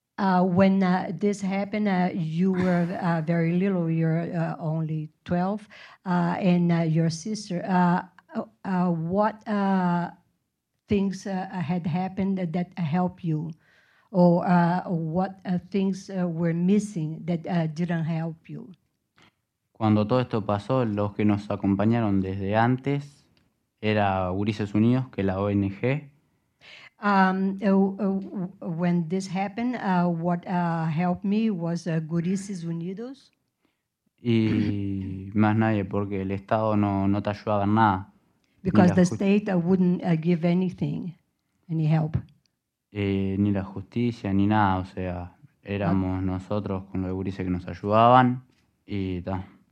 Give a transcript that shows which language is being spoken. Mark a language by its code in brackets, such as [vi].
[en] When this happened, you were very little, you're only 12, and your sister, what things had happened that helped you, or what things were missing that didn't help you? [es] Cuando todo esto pasó, los que nos acompañaron desde antes era Gurises Unidos, que la ONG. [en] When this happened, what helped me was Gurises Unidos. [es] Y más nadie, porque el Estado no te ayudaba en nada. [en] Because the state wouldn't give anything, any help. [es] Ni la justicia, ni nada. O sea, éramos nosotros con los gurises que nos ayudaban y ta.